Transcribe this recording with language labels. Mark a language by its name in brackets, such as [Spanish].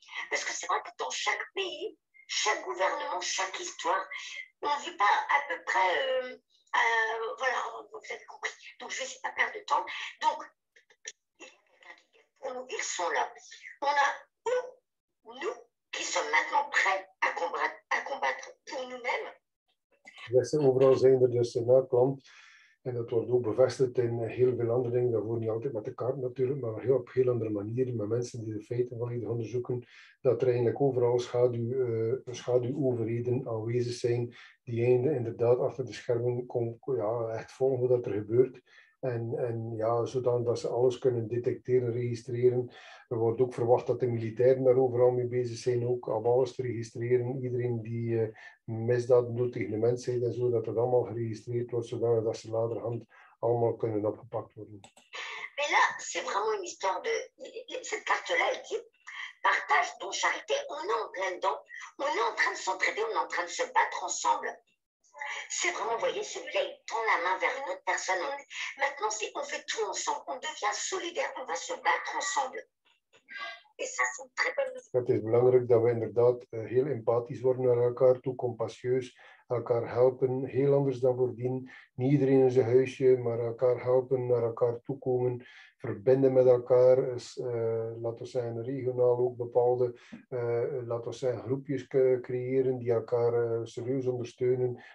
[French] Parce que c'est vrai que dans chaque pays, chaque gouvernement, chaque histoire, on ne vit pas à peu près. Voilà, vous avez compris. Donc, je ne vais pas perdre de temps. Donc, pour nous, ils sont là. On a nous qui sommes maintenant prêts à combattre pour nous-mêmes. [Dutch] Beste overal zijn er dus in elk land. En dat wordt ook bevestigd in heel veel andere dingen. Dat wordt niet altijd met de kaart natuurlijk, maar op heel andere manieren. Met mensen die de feiten volledig onderzoeken. Dat er eigenlijk overal schaduwoverheden aanwezig zijn. Die einde inderdaad achter de schermen komen. Ja, echt volgen wat er gebeurt. En ja, zodanig dat ze alles kunnen detecteren, registreren. Er wordt ook verwacht dat de militairen daar overal mee bezig zijn, ook om alles te registreren. Iedereen die misdaad doet tegen de mensheid en zo, dat het allemaal geregistreerd wordt, zodanig dat ze naderhand allemaal kunnen opgepakt worden. [French] Mais là, c'est vraiment une histoire de. Cette carte-là, elle dit partage, don, charité, on est en plein dedans. On est en train de s'entraider, on est en train de se battre ensemble. C'est vraiment, vous voyez, celui-là, il tend la main vers une autre personne. Maintenant, c'est on fait tout ensemble, on devient solidaire, on va se battre ensemble. Et ça, c'est une très bonne nouvelle. [Dutch] Het is belangrijk dat we inderdaad heel empathisch worden naar elkaar toe, compassieus, elkaar helpen, heel anders dan voordien. Niet iedereen in zijn huisje, maar elkaar helpen, naar elkaar toekomen, verbinden met elkaar. Laten we zeggen, regionaal ook bepaalde, laten we zeggen, groepjes creëren die elkaar serieus ondersteunen.